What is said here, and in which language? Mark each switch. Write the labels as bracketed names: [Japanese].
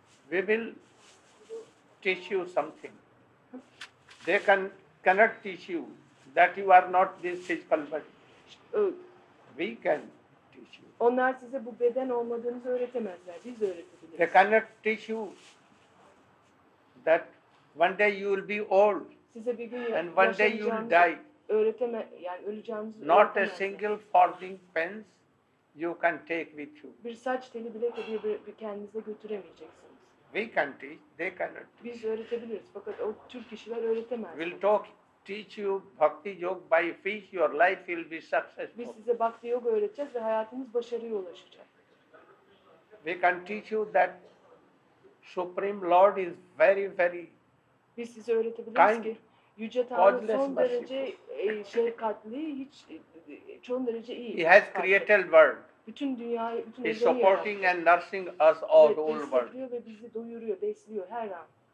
[English] We will teach you something. They cannot teach you. That you are not this physical body. We can teach you. [Turkish] Onlar size bu beden olmadığınızı öğretemezler. Biz öğretebiliriz. [English] They cannot teach you that one day you will be old. [Turkish] Size bir gün [English] and one day you will die. [Turkish] Yani öleceğinizi [English] not a single farthing pence you can take with you. [Turkish] Bir saç teli bile bir kendinize götüremeyeceksiniz. [English] We can teach. They cannot teach. [Turkish] Biz öğretebiliriz. Fakat o Türk kişiler öğretemez. [English] We'll talk. Teach you bhakti yoga by which your life will be successful. [Turkish] Biz size bhakti yoga öğreteceğiz ve hayatınız başarıya ulaşacak. [English] We can teach you that Supreme Lord is very very. [Turkish] Biz size öğretebiliriz ki yüce Tanrı son derece şefkatli, hiç çoğun derece iyi. [English] He has created world. [Turkish] Bütün dünyayı, bütün [English] evreni. He is supporting and nursing us all the whole world. [Turkish] Besliyor ve bizi doyuruyor, besliyor her an.